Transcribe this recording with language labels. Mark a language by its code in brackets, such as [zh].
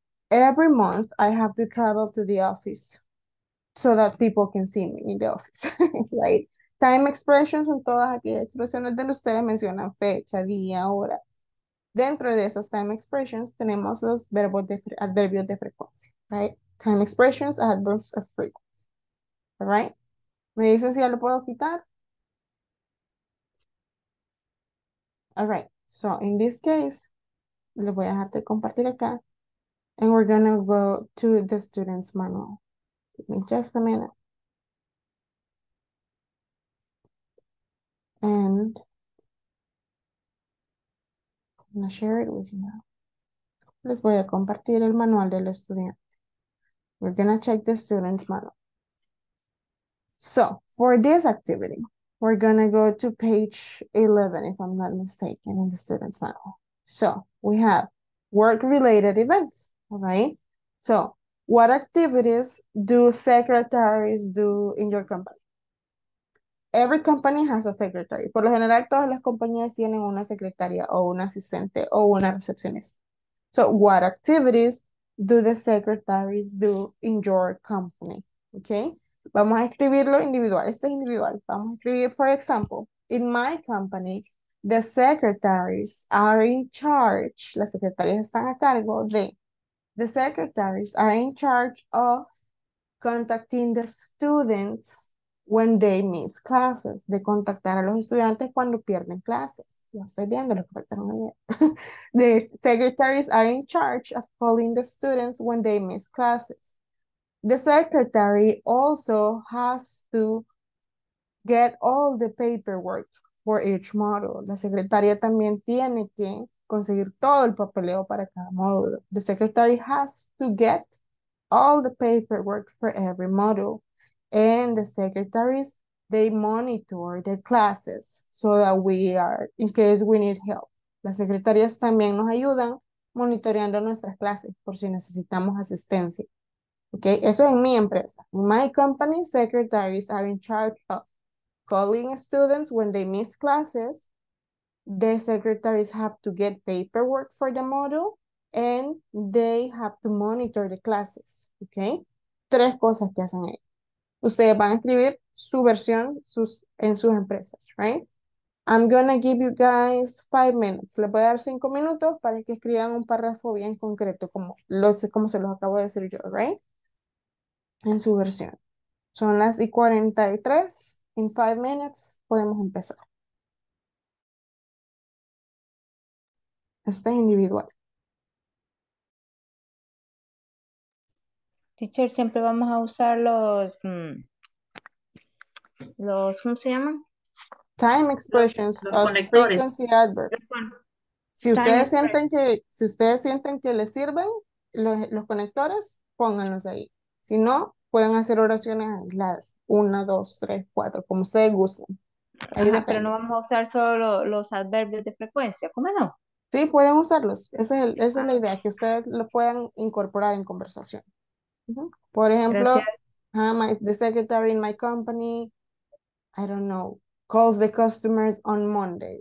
[en] Every month, I have to travel to the office so that people can see me in the office. Right? [es] Time expressions son todas aquellas expresiones donde ustedes mencionan fecha, día, hora. Dentro de esas time expressions tenemos los verbos de adverbios de frecuencia, right? [en] Time expressions, adverbs of frequency, all right? [es] ¿Me dicen si ya lo puedo quitar? [en] All right, so in this case, [es] lo voy a dejar de compartir acá [en] And we're going to go to the student's manual. Give me just a minute. And I'm going to share it with you now. [es] Les voy a compartir el manual del estudiante. [en] We're going to check the student's manual. So, for this activity, we're going to go to page 11, if I'm not mistaken, in the student's manual. So, we have work-related events, all right? So, what activities do secretaries do in your company? Every company has a secretary. [es] Por lo general, todas las compañías tienen una secretaria o un asistente o una recepcionista. [en] So, what activities do the secretaries do in your company? [es] Okay, vamos a escribirlo individual. Este es individual. Vamos a escribir, [en] for example, in my company, the secretaries are in charge. [es] Las secretarias están a cargo de. [en] The secretaries are in charge of contacting the students when they miss classes. [es] De contactar a los estudiantes cuando pierden clases. Ya estoy viendo lo que faltaron ayer. [en] The secretaries are in charge of calling the students when they miss classes. The secretary also has to get all the paperwork for each module. [es] La secretaria también tiene que conseguir todo el papeleo para cada módulo. [en] The secretary has to get all the paperwork for every module. And the secretaries, they monitor the classes so that we are, in case we need help. [es] Las secretarias también nos ayudan monitoreando nuestras clases por si necesitamos asistencia. Okay, eso es mi empresa. [en] My company secretaries are in charge of calling students when they miss classes. The secretaries have to get paperwork for the module and they have to monitor the classes. [es] Okay, tres cosas que hacen ahí. Ustedes van a escribir su versión en sus empresas, right? [en] I'm going to give you guys 5 minutes. [es] Les voy a dar 5 minutos para que escriban un párrafo bien concreto, como se los acabo de decir yo, right? En su versión. Son las 11:43. [en] In 5 minutes, [es] podemos empezar. Este es individual. Teacher, siempre vamos a usar los, ¿cómo se llaman? [en] Time expressions [es] los conectores. [en] Frequency adverbs. [es] Si ustedes sienten que les sirven los conectores, pónganlos ahí. Si no, pueden hacer oraciones aisladas. 1, 2, 3, 4, como ustedes gusten. Pero no vamos a usar solo los adverbios de frecuencia, ¿cómo no? Sí, pueden usarlos. Esa es la idea, que ustedes lo puedan incorporar en conversación. Por ejemplo, [en] the secretary in my company, I don't know, calls the customers on Monday.